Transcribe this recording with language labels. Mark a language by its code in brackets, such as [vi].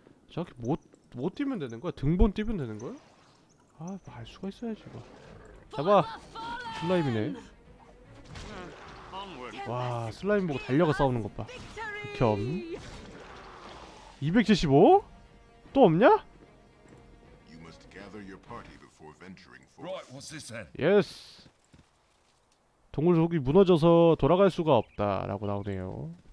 [ko] 저렇게 못 뛰면 되는 거야? 등본 뛰면 되는 거야? 아, 알 수가 있어야지 이거. 잡아. 슬라임이네. 와, 슬라임 보고 달려가 싸우는 것 봐. 겸. 275? 또 없냐? [en] You must gather your party before venturing forth. Yes. [ko] 동굴 속이 무너져서 돌아갈 수가 없다 라고 나오네요.